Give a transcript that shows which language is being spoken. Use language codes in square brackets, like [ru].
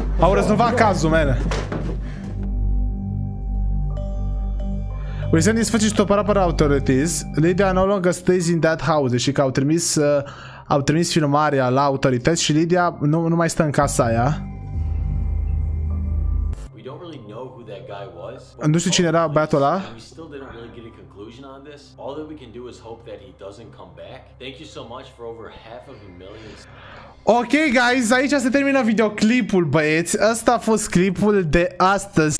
[ro] Aura, să nu fac cazul, mene. [en] We send this footage to proper authorities. Lydia no longer stays in that house. [ro] Deci că au trimis filmarea la autorități și Lydia nu mai stă în casa aia. [en] We don't really know who that guy was. [ro] Nu știu cine era băiatul ăla. [en] We still didn't really get a conclusion on this. All that we can do is hope that he doesn't come back. Thank you so much for over half of a million. [ro] Ok, guys, aici se termină videoclipul, băieți. Ăsta a fost clipul de astăzi.